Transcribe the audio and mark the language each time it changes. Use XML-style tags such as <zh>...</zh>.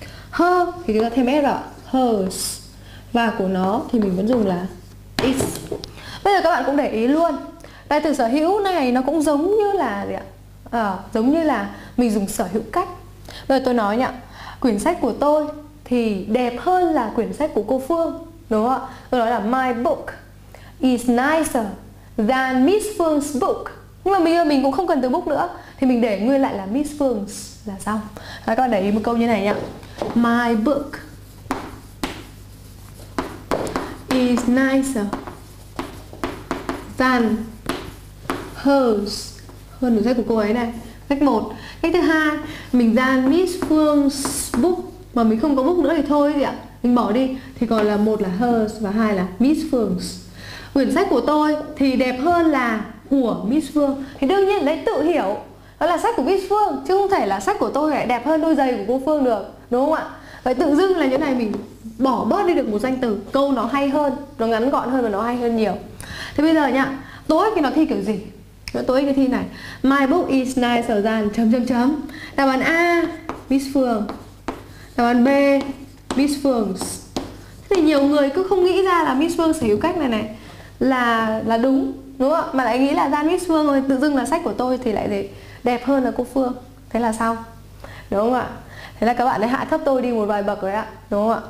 <vi>Her thì chúng ta thêm s vào ạ, hers. Và của nó thì mình vẫn dùng là its. Bây giờ các bạn cũng để ý luôn, đại từ sở hữu này nó cũng giống như là gì ạ? Giống như là mình dùng sở hữu cách. Bây giờ tôi nói nhá, quyển sách của tôi thì đẹp hơn là quyển sách của cô Phương, đúng không ạ? Tôi nói là</vi> <en>my book is nicer than Miss Phương's book.</en> <vi>Nhưng mà bây giờ mình cũng không cần từ book nữa, thì mình để nguyên lại là Miss Phương's là xong. Rồi các bạn để ý một câu như này nhá,</vi> <en>my book is nicer than hers,</en> <vi>hơn được sách của cô ấy này. Cách 1. Cách thứ 2, mình ra Miss Phương's book mà mình không có book nữa thì thôi gì ạ, mình bỏ đi, thì còn là một là hers và hai là Miss Phương's. Quyển sách của tôi thì đẹp hơn là của Miss Phương, thì đương nhiên đấy tự hiểu đó là sách của Miss Phương, chứ không thể là sách của tôi lại đẹp hơn đôi giày của cô Phương được, đúng không ạ? Vậy tự dưng là như này mình bỏ bớt đi được một danh từ, câu nó hay hơn, nó ngắn gọn hơn và nó hay hơn nhiều. Thế bây giờ nhá, tối thì nó thi kiểu gì? Tối thì thi này,</vi> <en>my book is nicer than ...</en> <vi>đáp án A, Miss Phương, đáp án B, Miss Phương. Thế thì nhiều người cứ không nghĩ ra là Miss Phương sở hữu cách này này là đúng, đúng không ạ? Mà lại nghĩ là ra Miss Phương rồi, tự dưng là sách của tôi thì lại gì? Đẹp hơn là cô Phương, thế là sao, đúng không ạ? Thế là các bạn ấy hạ thấp tôi đi một vài bậc rồi ạ, đúng không ạ?</vi>